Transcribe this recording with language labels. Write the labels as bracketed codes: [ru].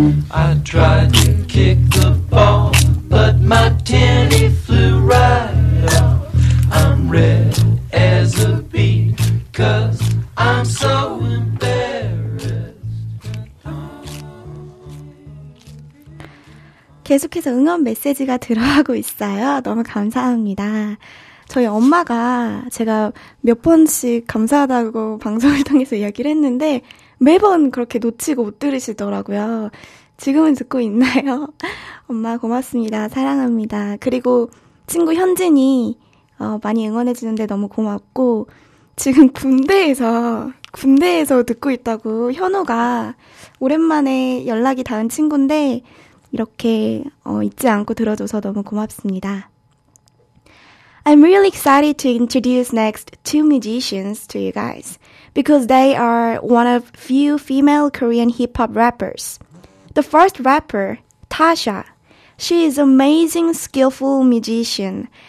[en] I tried to kick the ball, but my tenny flew right off. I'm red as a beet, 'cause I'm so embarrassed. [ko] 계속해서 응원 메시지가 들어가고 있어요. 너무 감사합니다. 저희 엄마가 제가 몇 번씩 감사하다고 방송을 통해서 이야기를 했는데 매번 그렇게 놓치고 못 들으시더라고요. 지금은 듣고 있나요? 엄마 고맙습니다. 사랑합니다. 그리고 친구 현진이 많이 응원해주는데 너무 고맙고 지금 군대에서 듣고 있다고 현우가 오랜만에 연락이 닿은 친구인데 이렇게 잊지 않고 들어줘서 너무 고맙습니다. [en] I'm really excited to introduce next two musicians to you guys. Because they are one of few female Korean hip-hop rappers. The first rapper, Tasha. She is an amazing, skillful musician.